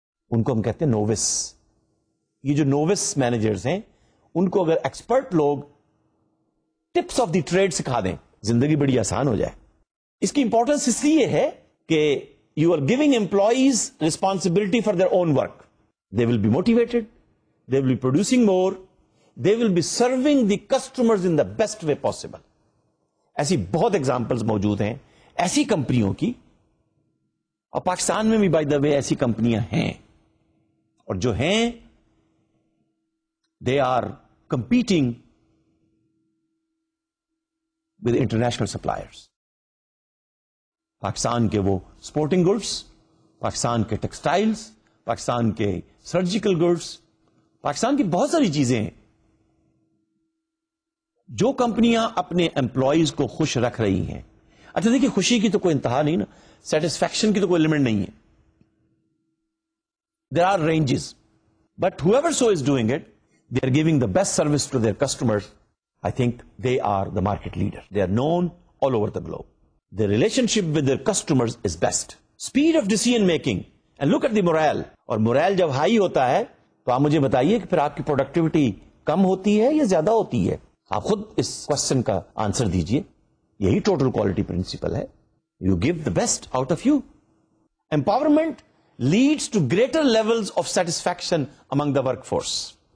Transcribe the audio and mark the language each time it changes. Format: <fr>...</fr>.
<ur>ان کو ہم کہتے ہیں نووس. یہ جو نووس مینیجرز ہیں ان کو اگر ایکسپرٹ لوگ</ur> <en>tips of the trade</en> <ur>سکھا دیں, زندگی بڑی آسان ہو جائے. اس کی امپورٹنس اس لیے ہے کہ</ur> <en>You are giving employees responsibility for their own work. They will be motivated, they will be producing more, they will be serving the customers in the best way possible.</en> <ur>ایسی بہت ایگزامپلز موجود ہیں ایسی کمپنیوں کی, اور پاکستان میں بھی بائی دا وے ایسی کمپنیاں ہیں, اور جو ہیں</ur> <en>They are competing with international suppliers.</en> <ur>Pakistan کے وہ سپورٹنگ گڈس, پاکستان کے ٹیکسٹائلز, پاکستان کے سرجیکل گڈس, پاکستان کی بہت ساری چیزیں ہیں. جو کمپنیاں اپنے امپلائیز کو خوش رکھ رہی ہیں, اچھا دیکھیں خوشی کی تو کوئی انتہا نہیں نا, سیٹسفیکشن کی تو کوئی لمٹ نہیں ہے.</ur> <en>There are ranges, but however so is doing it, they are giving the best service to their customers. I think they are the market leader. They are known all over the globe. Their relationship with their customers is best. Speed of decision making and look at the morale.</en> <ur>اور morale جب high ہوتا ہے تو آپ مجھے بتائیے کہ پھر آپ کی پروڈکٹیوٹی کم ہوتی ہے یا زیادہ ہوتی ہے؟ آپ خود اس کوشچن کا آنسر دیجیے. یہی ٹوٹل کوالٹی پرنسپل ہے.</ur> <en>You give the best out of you. Empowerment leads to greater levels of satisfaction among the workforce.</en>